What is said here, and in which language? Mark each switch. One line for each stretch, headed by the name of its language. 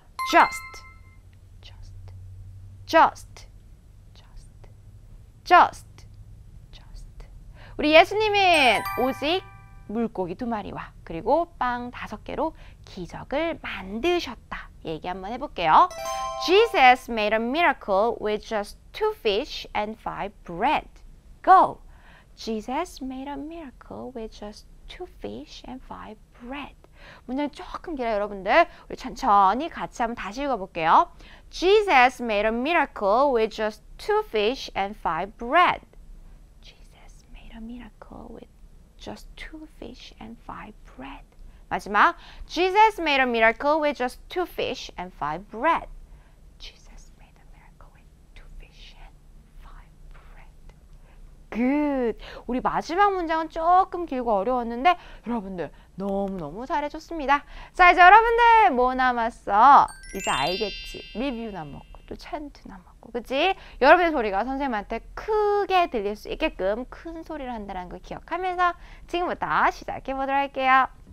English: Just, just, just, just, just, just.
Korean: 우리 예수님은 오직 물고기 두 마리와 그리고 빵 다섯 개로 기적을 만드셨다. 얘기 한번 해볼게요.
English: Jesus made a miracle with just two fish and five bread. Go! Jesus made a miracle with just two fish and five bread.
Korean: 문장이 조금 길어요, 여러분들. 우리 천천히 같이 한번 다시 읽어볼게요.
English: Jesus made a miracle with just two fish and five bread. Jesus made a miracle with just two fish and five bread.
Korean: 마지막,
English: Jesus made a miracle with just two fish and five bread. Jesus made a miracle with two fish and five bread. Good.
Korean: 우리 마지막 문장은 조금 길고 어려웠는데 여러분들 너무너무 잘해줬습니다. 자, 이제 여러분들 뭐 남았어? 이제 알겠지? 리뷰 남았고 또 챈트 남았고, 그치? 여러분의 소리가 선생님한테 크게 들릴 수 있게끔 큰 소리를 한다는 걸 기억하면서 지금부터 시작해 보도록 할게요.